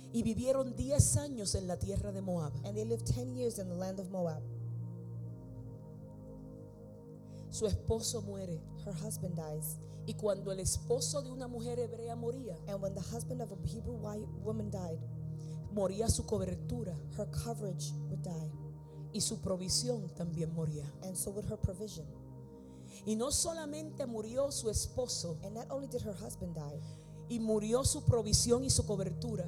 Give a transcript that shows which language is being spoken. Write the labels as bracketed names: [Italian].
[Spanish] y vivieron 10 años en la tierra de Moab. [English] And they lived 10 years in the land of Moab. [Spanish] Su esposo muere, [English] her husband dies, [Spanish] y cuando el esposo de una mujer hebrea moría, [English] and when the husband of a Hebrew woman died, [Spanish] moría su cobertura. [English] Her coverage would die. [Spanish] Y su provisión también moría. [English] And so would her provision. [Spanish] Y no solamente murió su esposo. [English] And not only did her husband die. [Spanish] Y murió su provisión y su cobertura.